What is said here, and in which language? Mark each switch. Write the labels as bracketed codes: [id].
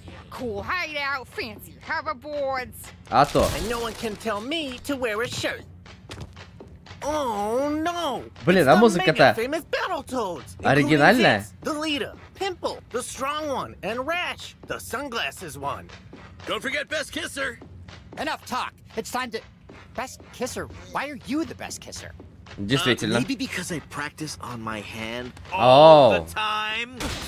[en] Cool hideout, fancy hoverboards. [ru] А то. [en] And no one can tell me to wear a shirt. Oh no! [ru] Блин, а музыка-то famous Battletoads. Оригинальная. [en] The leader, Pimple, the strong one, and Rash, the sunglasses one. Don't forget Best Kisser. Enough talk. It's time to Best Kisser. Why are you the Best Kisser? [ru] Действительно. [en] Maybe because I practice on my hand all the time.